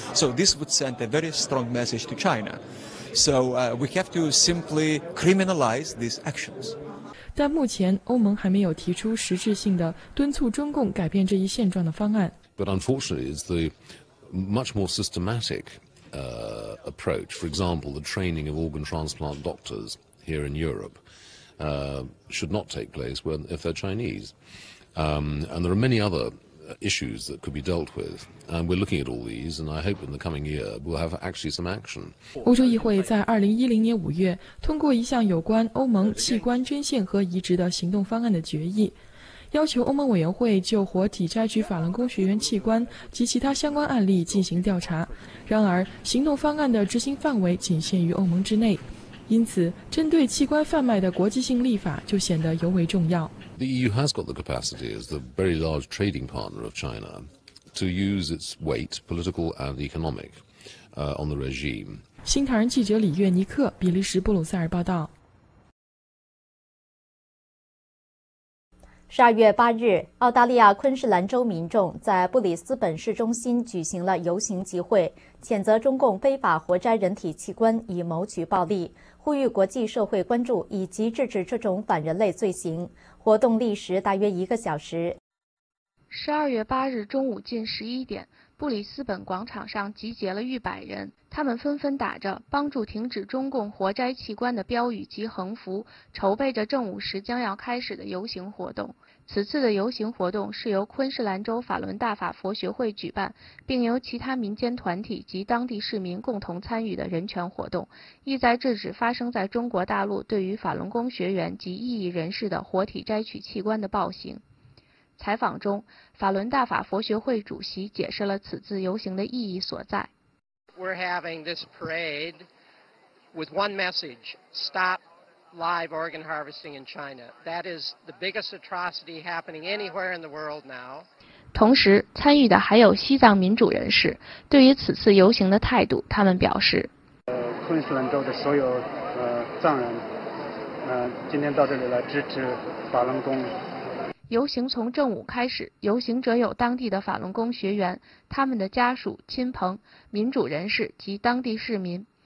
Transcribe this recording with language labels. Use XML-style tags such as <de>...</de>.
<en>So this would send a very strong message to China. So we have to simply criminalize these actions.</en> <zh>但目前欧盟还没有提出实质性的敦促中共改变这一现状的方案。</zh> <en>But unfortunately, it's the much more systematic. Approach. For example, the training of organ transplant doctors here in Europe should not take place when, if they're Chinese. And there are many other issues that could be dealt with. And we're looking at all these, and I hope in the coming year we'll have actually some action.</en> <zh>欧洲议会在2010年5月通过一项有关欧盟器官捐献和移植的行动方案的决议，要求欧盟委员会就活体摘取法轮功学员器官及其他相关案例进行调查。然而，行动方案的执行范围仅限于欧盟之内，因此针对器官贩卖的国际性立法就显得尤为重要。</zh> <en>The EU has got the capacity as the very large trading partner of China to use its weight, political and economic, on the regime.</en> <zh>新唐人记者李月尼克，比利时布鲁塞尔报道。 12月8日，澳大利亚昆士兰州民众在布里斯本市中心举行了游行集会，谴责中共非法活摘人体器官以谋取暴利，呼吁国际社会关注以及制止这种反人类罪行。活动历时大约一个小时。 12月8日中午近11点，布里斯本广场上集结了100人，他们纷纷打着“帮助停止中共活摘器官”的标语及横幅，筹备着正午时将要开始的游行活动。此次的游行活动是由昆士兰州法轮大法佛学会举办，并由其他民间团体及当地市民共同参与的人权活动，意在制止发生在中国大陆对于法轮功学员及异议人士的活体摘取器官的暴行。采访中，法轮大法佛学会主席解释了此次游行的意义所在。</zh> <en>We're having this parade with one message, stop live organ harvesting in China. That is the biggest atrocity happening anywhere in the world now.</en> <zh>同时，参与的还有西藏民主人士。对于此次游行的态度，他们表示： 昆士兰州的所有藏人，今天到这里来支持法轮功。游行从正午开始，游行者有当地的法轮功学员、他们的家属、亲朋、民主人士及当地市民。</zh>